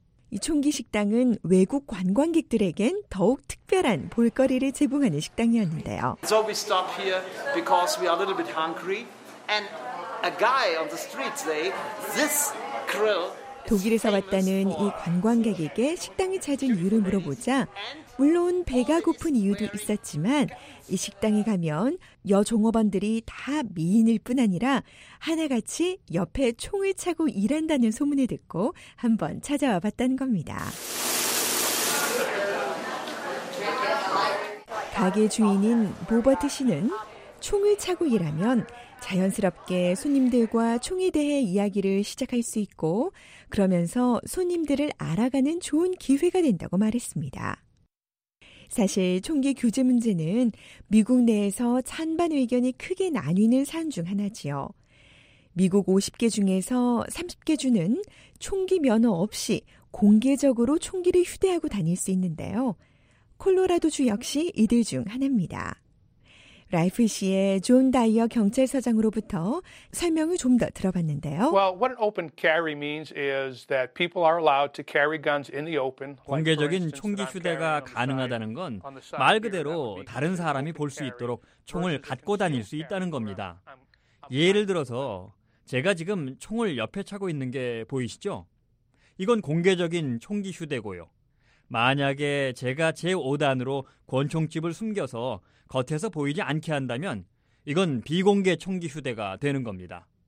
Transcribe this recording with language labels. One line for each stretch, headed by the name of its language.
Korean: 이 총기 식당은 외국 관광객들에겐 더욱 특별한 볼거리를 제공하는 식당이었는데요.
English: So we stop here because we are a little bit hungry and a guy on the street say this grill.
Korean: 독일에서 왔다는 이 관광객에게 식당이 찾은 이유를 물어보자 물론 배가 고픈 이유도 있었지만 이 식당에 가면 여 종업원들이 다 미인일 뿐 아니라 하나같이 옆에 총을 차고 일한다는 소문을 듣고 한번 찾아와 봤다는 겁니다. 가게 주인인 보버트 씨는 총을 차고 일하면 자연스럽게 손님들과 총에 대해 이야기를 시작할 수 있고 그러면서 손님들을 알아가는 좋은 기회가 된다고 말했습니다. 사실 총기 규제 문제는 미국 내에서 찬반 의견이 크게 나뉘는 사안 중 하나지요. 미국 50개 중에서 30개 주는 총기 면허 없이 공개적으로 총기를 휴대하고 다닐 수 있는데요. 콜로라도주 역시 이들 중 하나입니다. 라이플 씨의 존 다이어 경찰서장으로부터 설명을 좀 더 들어봤는데요.
English: Well, what an open carry means is that people are allowed to carry guns in the open.
Korean: 공개적인 총기 휴대가 가능하다는 건 말 그대로 다른 사람이 볼 수 있도록 총을 갖고 다닐 수 있다는 겁니다. 예를 들어서 제가 지금 총을 옆에 차고 있는 게 보이시죠? 이건 공개적인 총기 휴대고요. 만약에 제가 제 5단으로 권총집을 숨겨서 겉에서 보이지 않게 한다면 이건 비공개 총기 휴대가 되는 겁니다.